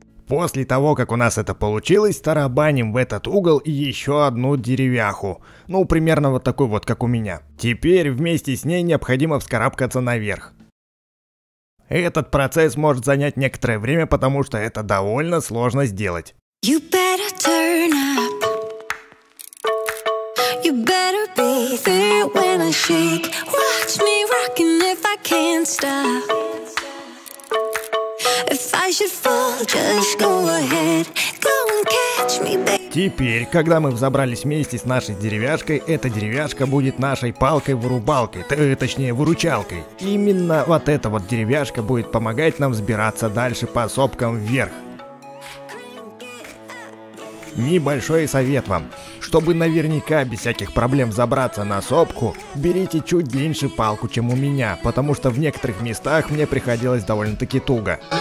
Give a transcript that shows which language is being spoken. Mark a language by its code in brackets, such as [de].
[ru] После того, как у нас это получилось, тарабаним в этот угол и еще одну деревяху. Ну, примерно вот такой вот, как у меня. Теперь вместе с ней необходимо вскарабкаться наверх. Этот процесс может занять некоторое время, потому что это довольно сложно сделать. [en] You better turn up. You better be there when I shake. Watch me rockin' if I can't stop. If I should fall, just go ahead. Go and catch [ru] Теперь, когда мы взобрались вместе с нашей деревяшкой, эта деревяшка будет нашей палкой-вырубалкой, точнее, выручалкой. Именно вот эта вот деревяшка будет помогать нам взбираться дальше по сопкам вверх. Небольшой совет вам. Чтобы наверняка без всяких проблем забраться на сопку, берите чуть длиннее палку, чем у меня, потому что в некоторых местах мне приходилось довольно-таки туго.